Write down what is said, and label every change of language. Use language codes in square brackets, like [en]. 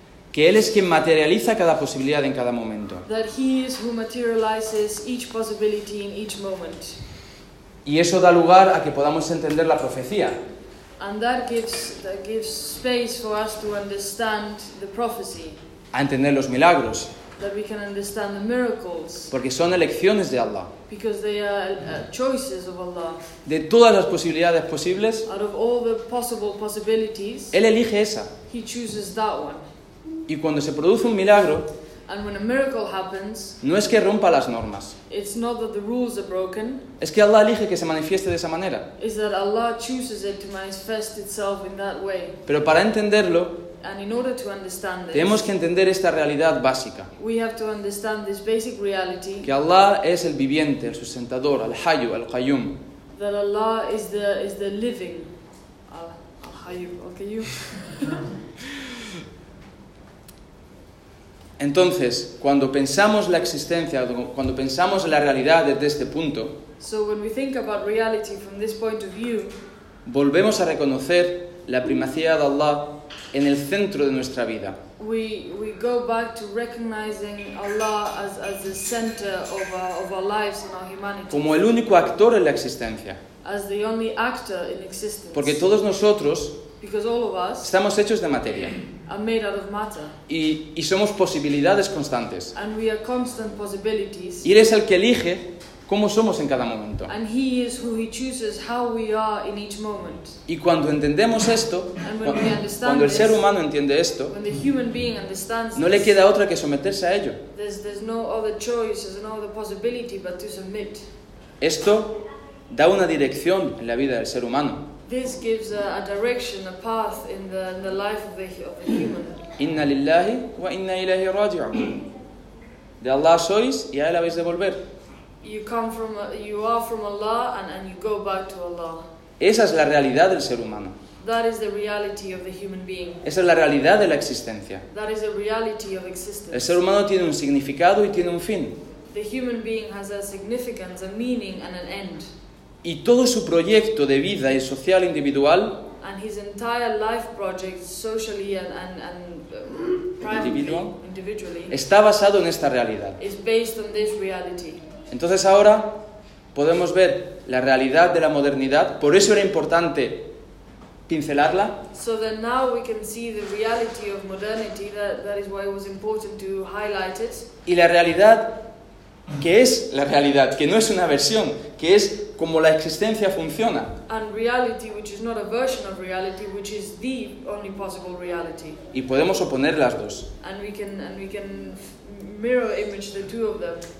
[es] que él es quien materializa cada posibilidad en cada momento. [en] That he is who materializes each possibility in each moment. [es] Y eso da lugar a que podamos entender la profecía. [en] And that gives space for us to understand the prophecy. [es] A entender los milagros. [en] That we can understand the miracles. [es] Porque son elecciones de Allah. [en] Because they are choices of Allah. [es] De todas las posibilidades posibles. [en] Out of all the possible possibilities. [es] Él elige esa. [en] He chooses that one. [es] Y cuando se produce un milagro, [en] and when a miracle happens, [es] no es que rompa las normas. [en] It's not that the rules are broken. [es] Es que Allah elige que se manifieste de esa manera. [en] It's that Allah chooses it to manifest itself in that way. [es] Pero para entenderlo, [en] and in order to understand this, [es] tenemos que entender esta realidad básica. [en] We have to understand this basic reality, [es] que Allah es el viviente, el sustentador, el hayu, el qayyum. [en] That Allah is the living, al hayu, al qayyum. [es] Entonces, cuando pensamos la existencia, cuando pensamos la realidad desde este punto, [en] so when we think about reality from this point of view, [es] volvemos a reconocer la primacía de Allah en el centro de nuestra vida. [en] We go back to recognizing Allah as the center of our lives and our humanity. [es] Como el único actor en la existencia. [en] As the only actor in existence. [es] Porque todos nosotros, [en] because all of us, [es] estamos hechos de materia. [en] Are made out of matter. [es] Y somos posibilidades constantes. [en] And we are constant possibilities. [es] Y él es el que elige cómo somos en cada momento. [en] And he is who he chooses how we are in each moment. [es] Y cuando entendemos esto, cuando el ser humano entiende esto, [en] when the human being understands, [es] no le queda otra que someterse a ello. [en] There's no other choice, there's no other possibility but to submit. [es] Esto da una dirección en la vida del ser humano. [en] This gives a direction, a path in the life of the human. [ar] Inna lillahi wa inna ilayhi raji'un. [es] De Allah sois y a él habéis de volver. [en] You are from Allah and you go back to Allah. [es] Esa es la realidad del ser humano. [en] That is the reality of the human being. [es] Esa es la realidad de la existencia. [en] That is the reality of existence. [es] El ser humano tiene un significado y tiene un fin. [en] The human being has a significance, a meaning and an end. [es] Y todo su proyecto de vida y social individual, [en] and his entire life project socially and individually, [es] está basado en esta realidad. [en] Is based on this reality. [es] Entonces ahora podemos ver la realidad de la modernidad, por eso era importante pincelarla. [en] So that now we can see the reality of modernity, that is why it was important to highlight it. [es] Y la realidad que es la realidad, que no es una versión, que es como la existencia funciona. [en] And reality, which is not a version of reality, which is the only possible reality. [es] Y podemos oponer las dos. [en] And we can mirror image the two of them.